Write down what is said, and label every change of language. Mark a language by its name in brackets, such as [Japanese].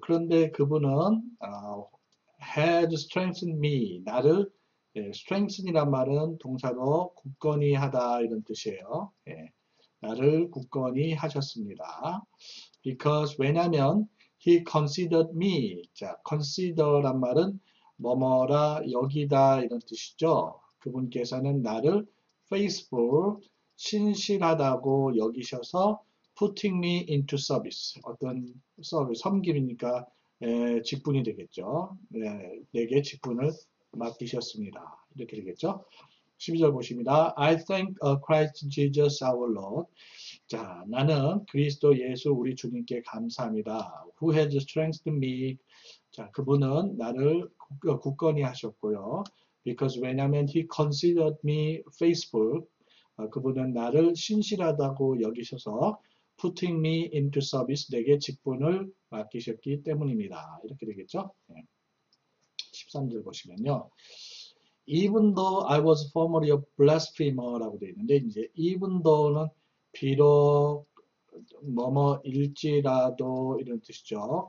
[Korean] 그런데 그분은 [English] had strengthened me. [Korean] 나를 예, strengthen이란 말은 동사로 굳건히 하다 이런 뜻이에요. 예, 나를 굳건히 하셨습니다. [English] Because [Korean] 왜냐면 [English] he considered me. [Korean] 자, consider란 말은 뭐뭐라 여기다 이런 뜻이죠. 그분께서는 나를 [English] faithful, [Korean] 신실하다고 여기셔서 [English] putting me into service. [Korean] 어떤 서비스, 섬김이니까 예, 직분이 되겠죠. 예, 내게 직분을 맡기셨습니다. 이렇게 되겠죠? 12절 보십니다. [English] I thank Christ Jesus our Lord. [Korean] 자, 나는 그리스도 예수 우리 주님께 감사합니다. [English] Who has strengthened me? [Korean] 자, 그분은 나를 굳건히 하셨고요. [English] Because [Korean] 왜냐면 [English] he considered me faithful. [Korean] 그분은 나를 신실하다고 여기셔서 [English] putting me into service. [Korean] 내게 직분을 맡기셨기 때문입니다. 이렇게 되겠죠? 13절 보시면요. [English] Even though I was formerly a blasphemer [Korean] 라고 되어 있는데, 이제 [English] even though [Korean] 는 비록 뭐뭐일지라도 이런 뜻이죠.